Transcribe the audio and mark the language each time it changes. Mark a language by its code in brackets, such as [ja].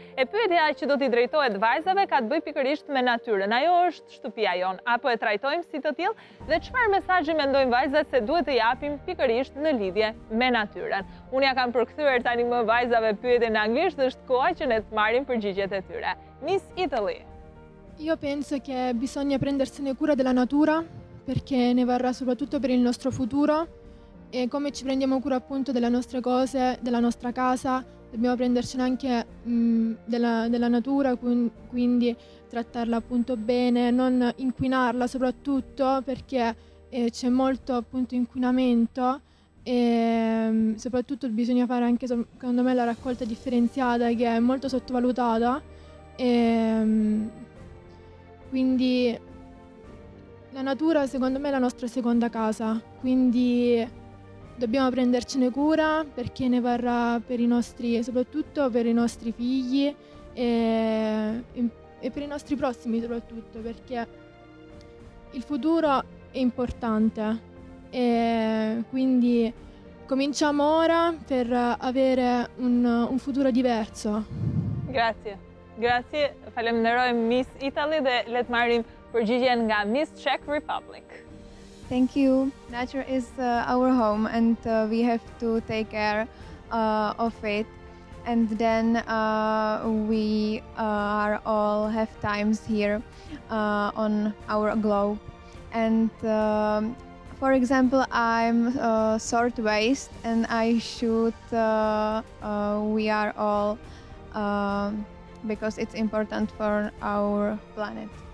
[sq] E pyetja që do t'i drejtohet vajzave ka të bëjë pikërisht me natyrën. Ajo është shtëpia jonë, apo e trajtojmë si të tillë? Dhe çfarë mesazhi mendojnë vajzat se duhet të japim pikërisht në lidhje me natyrën? Unë ja kam përkthyer tani më vajzave pyetjen në anglisht, është koha që ne të marrim përgjigjet e tyre. Miss Italy. [it] Io penso che bisogna prendersene cura della natura perché ne varrà soprattutto per il nostro futuro. E come ci prendiamo cura appunto delle nostre cose, della nostra casa, dobbiamo prendercene anche della natura, quindi trattarla appunto bene, non inquinarla soprattutto perché c'è molto appunto inquinamento e soprattutto bisogna fare anche secondo me la raccolta differenziata, che è molto sottovalutata, e quindi la natura secondo me è la nostra seconda casa, quindi dobbiamo prendercene cura, perché ne varrà per i nostri, soprattutto per i nostri figli e per i nostri prossimi, soprattutto perché il futuro è importante, e quindi cominciamo ora per avere un futuro diverso. Grazie. Grazie. [sq] Falemnderoj Miss Italy dhe le të marrim përgjigjen nga Miss Czech Republic. [en] Thank you. Nature is our home and we have to take care of it. And then we are all have times here on our globe. And for example, I'm sort waste and I should, we are all, because it's important for our planet.